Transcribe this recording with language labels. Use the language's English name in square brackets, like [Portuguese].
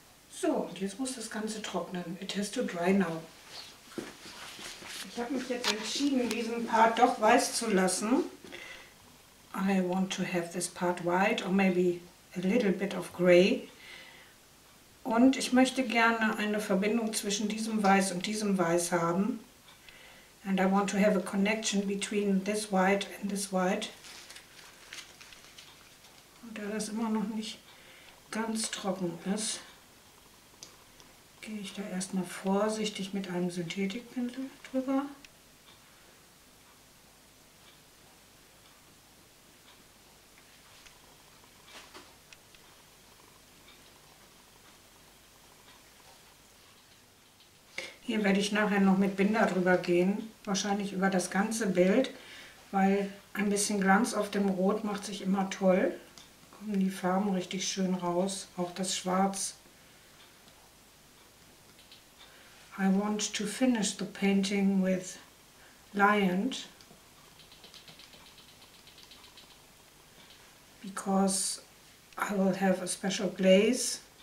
[German] So, und jetzt muss das Ganze trocknen. [English] It has to dry now. [German] Ich habe mich jetzt entschieden, diesen Part doch weiß zu lassen. [English] I want to have this part white or maybe a little bit of gray. [German] Und ich möchte gerne eine Verbindung zwischen diesem Weiß und diesem Weiß haben. [English] And I want to have a connection between this white and this white. [German] Und da das immer noch nicht ganz trocken ist, gehe ich da erstmal vorsichtig mit einem Synthetikpinsel drüber. Hier werde ich nachher noch mit Binder drüber gehen, wahrscheinlich über das ganze Bild, weil ein bisschen Glanz auf dem Rot macht sich immer toll. Kommen die Farben richtig schön raus, auch das Schwarz. [English] I want to finish the painting with lion, because I will have a special glaze.